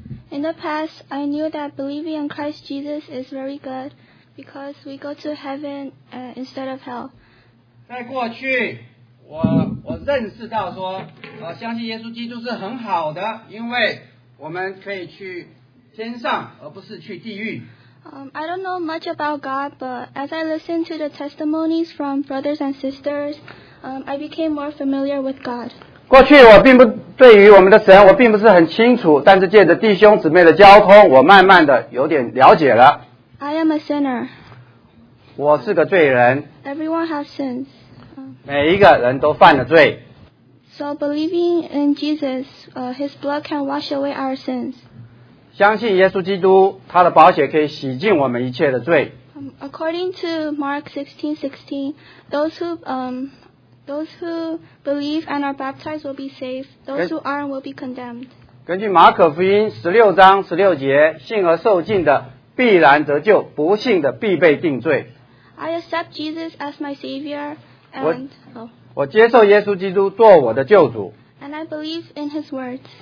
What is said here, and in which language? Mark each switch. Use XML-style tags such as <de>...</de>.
<en>In the past, I knew that believing in Christ Jesus is very good because we go to heaven instead of hell.</en> <zh>在过去，我认识到说，相信耶稣基督是很好的，因为我们可以去天上，而不是去地狱。</zh> <en>I don't know much about God, but as I listened to the testimonies from brothers and sisters, I became more familiar with God.</en> <zh>过去我并不对于我们的神我并不是很清楚，但是借着弟兄姊妹的交通，我慢慢的有点了解了。</zh> <en>I am a sinner.</en> <zh>我是个罪人。</zh> <en>Everyone has sins.</en> <zh>每一个人都犯了罪。</zh> <en>So believing in Jesus, his blood can wash away our sins.</en> <zh>相信耶稣基督，他的宝血可以洗净我们一切的罪。</zh> <en>According to Mark 16:16, those who Those who believe and are baptized will be saved. Those who aren't will be condemned.</en> <zh>根据马可福音16章16节，信而受浸的必然得救，不信的必被定罪。</zh> <en>I accept Jesus as my Savior. And,</en> <zh>我接受耶稣基督做我的救主。</zh> <en>And I believe in his words.</en>